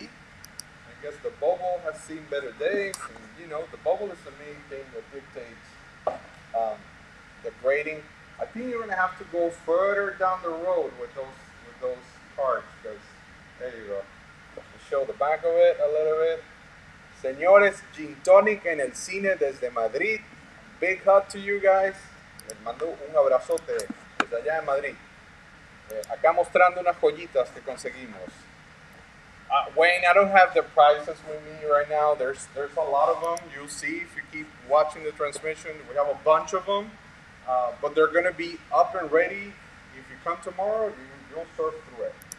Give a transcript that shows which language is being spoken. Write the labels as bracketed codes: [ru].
[en] I guess the bubble has seen better days. And, you know, the bubble is the main thing that dictates the grading. I think you're going to have to go further down the road with those cards, because there you go. I'll show the back of it a little bit. [es] Señores, gin tonic en el cine desde Madrid. [en] Big hug to you guys. [es] Les mando un abrazote desde allá en Madrid. Acá mostrando unas joyitas que conseguimos. [en] Wayne, I don't have the prizes with me right now. There's a lot of them. You'll see if you keep watching the transmission. We have a bunch of them. But they're going to be up and ready. If you come tomorrow, you'll surf through it.